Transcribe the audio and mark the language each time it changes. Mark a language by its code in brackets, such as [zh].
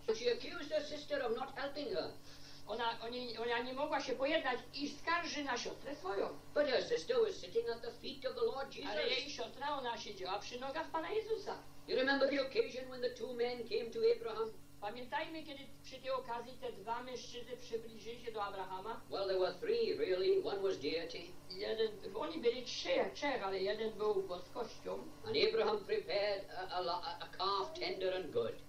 [en] But she accused her sister of not helping her. [pl] Ona nie mogła się pojednać i skarży na siostrę swoją. [en] But her sister was sitting at the feet of the Lord Jesus. [pl] Ale jej siostra, ona siedziała przy nogach Pana Jezusa. [en] You remember the occasion when the two men came to Abraham? [pl] Pamiętajmy, kiedy przy tej okazji te dwa mężczyźni przybliżyli się do Abrahama. [en] Well, there were three, really. One was deity. [pl] Jeden, oni byli trzech, ale jeden był boskością. [en] And Abraham prepared a calf tender and good.